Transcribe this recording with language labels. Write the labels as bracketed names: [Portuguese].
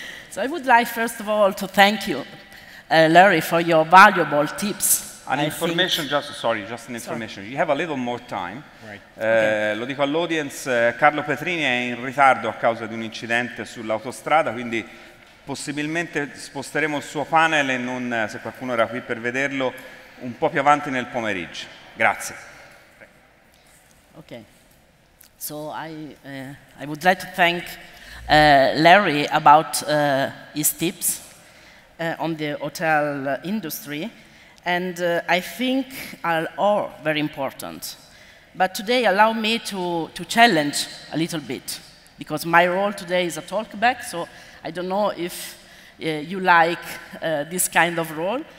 [English] So I would like, first of all, to thank you, Larry, for your valuable tips. Just an information. You have a little more time. Right. [Italian] Lo dico all'audience, Carlo Petrini è in ritardo a causa di un incidente sull'autostrada, quindi possibilmente sposteremo il suo panel e non, se qualcuno era qui per vederlo, un po' più avanti nel pomeriggio. Grazie. [English] Okay. So I would like to thank Larry about his tips on the hotel industry, and I think are all very important, But today, allow me to challenge a little bit, because my role today is a talkback, so I don't know if you like this kind of role.